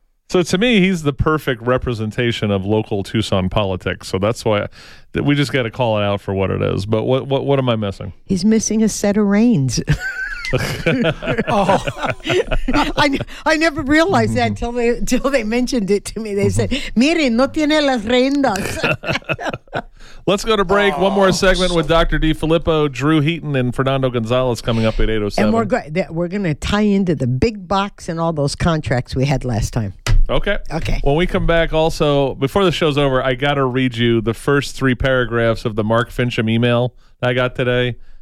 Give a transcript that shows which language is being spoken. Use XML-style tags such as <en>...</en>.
<en>So to me, he's the perfect representation of local Tucson politics. So that's why we just got to call it out for what it is. But what am I missing? He's missing a set of reins. Oh. I never realized that until they mentioned it to me. They said,</en> <es>mire, no tiene las riendas.</es> <en>Let's go to break. Oh, one more segment with Dr. DeFilippo, Drew Heaton, and Fernando Gonzalez coming up at 8:07. And we're going to tie into the big box and all those contracts we had last time. Okay. When we come back, also, before the show's over, I got to read you the first three paragraphs of the Mark Fincham email I got today.</en>